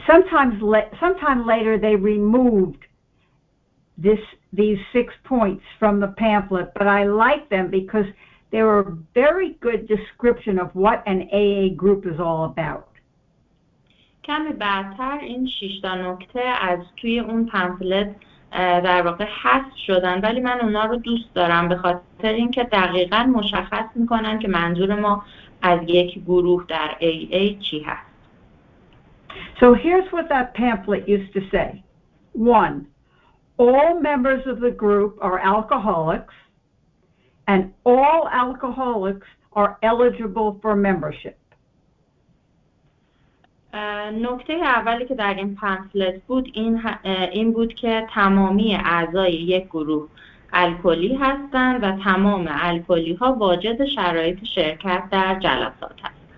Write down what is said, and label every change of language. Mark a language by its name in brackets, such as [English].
[English] Sometime later they removed these 6 points from the pamphlet, but I like them because they were a very good description of what an AA group is all about. [Persian] کمی بعدتر این 6 تا نکته از توی اون پمفلت در واقع حذف شدن، ولی من اونا رو دوست دارم به خاطر اینکه دقیقاً مشخص می‌کنن که منظور ما از یک گروه در AA چی هست. [English] So here's what that pamphlet used to say. 1. All members of the group are alcoholics, and all alcoholics are eligible for membership. [Persian] نکته اولی که در این پنفلت بود این بود که تمامی اعضای یک گروه الکلی هستند و تمام الکلی ها واجد شرایط شرکت در جلسات هستند.